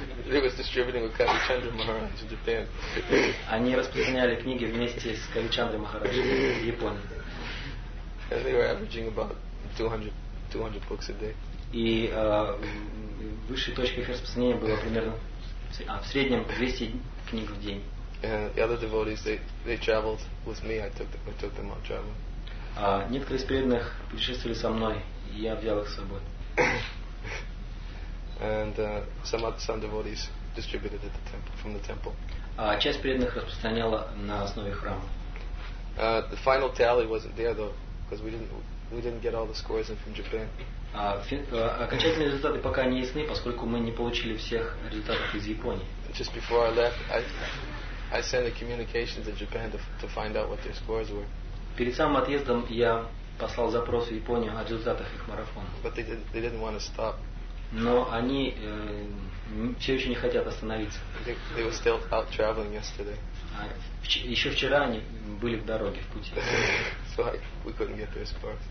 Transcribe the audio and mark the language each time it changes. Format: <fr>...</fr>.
<en>They was distributing with Kavi Chandra Maharaj in Japan.</en> <ru>Они распространяли книги вместе с Кавичандрой Чандра Махарадж в Японии.</ru> <en>And they were averaging about 200 books a day.</en> <ru>И высшей точкой их распространения было примерно в среднем 200 книг в день.</ru> <en>The other devotees, they traveled with me. I took them out traveling.</en> <ru>Некоторые из преданных путешествовали со мной, и я взял их с собой.</ru> <en>And some devotees distributed at the temple, from the temple.</en> <ru>Часть преданных распространяла на основе храма.</ru> <en>The final tally wasn't there though, because we didn't get all the scores in from Japan.</en> <ru>Окончательные результаты пока не ясны, поскольку мы не получили всех результатов из Японии.</ru> <en>Just before I left, I sent a communication to Japan to find out what their scores were.</en> <ru>Перед самым отъездом я послал запрос в Японию о результатах их марафона.</ru> <en>But they didn't want to stop.</en> <ru>Но они все еще не хотят остановиться.</ru> <en>They were still out traveling yesterday.</en> <ru>Еще вчера они были в дороге, в пути.</ru> <en>So we couldn't get their spots.</en>